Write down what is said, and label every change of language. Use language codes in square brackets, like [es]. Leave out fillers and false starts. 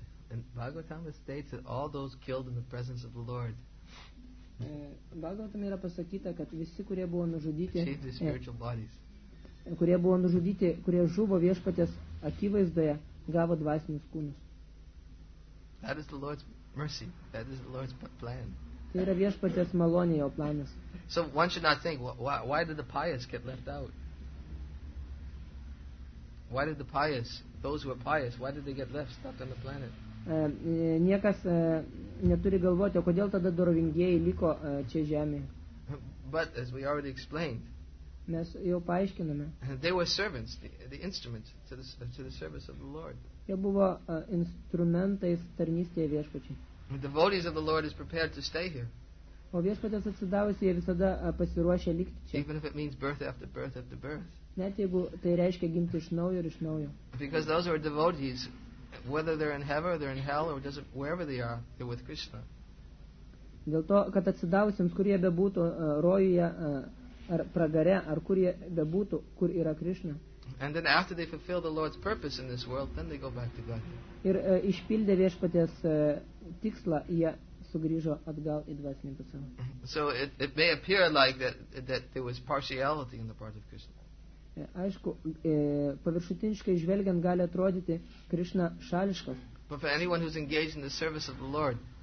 [en] And Bhagavatam states that all those killed in the presence of the Lord [lt] Bhagavatam yra pasakyta, kad visi, kurie buvo nužudyti, kurie žuvo Viešpaties akivaizdoje, gavo dvasinius kūnus. [en] That is the Lord's mercy. That is the Lord's plan. [lt] Tai yra Viešpaties malonė, jo planas. [en] So one should not think, why did the pious get left out? Why did the pious, those who were pious, why did they get left stuck on the planet? [lt] Niekas neturi galvoti, o kodėl tada dorovingieji liko čia žemėje. [en] But as we already explained, [lt] mes jau paaiškiname. [en] They were servants, the instruments to the service of the Lord. [lt] Jie buvo instrumentais tarnystėje Viešpačiui. [en] The devotees of the Lord is prepared to stay here. [lt] O Viešpaties atsidavusieji visada pasiruošę likti čia. [en] Even if it means birth after birth after birth. [lt] Net jeigu tai reiškia gimti iš naujo ir iš naujo. [en] Because those are devotees, whether they're in heaven or they're in hell or doesn't wherever they are, they're with Krishna. [lt] Dėl to, kad atsidavusiems, kur jie bebūtų, rojuje ar pragare, ar kur jie bebūtų, kur yra Krishna. [en] And then after they fulfill the Lord's purpose in this world, then they go back to God. [lt] Ir išpildė Viešpaties tikslą, jie sugrįžo atgal į dvasinį pasaulį. [en] So it may appear like that there was partiality in the part of Krishna. [lt] Aišku, paviršutiniškai žvelgiant gali atrodyti Krishna šališkas. [en] But for anyone who's engaged in the service of the Lord,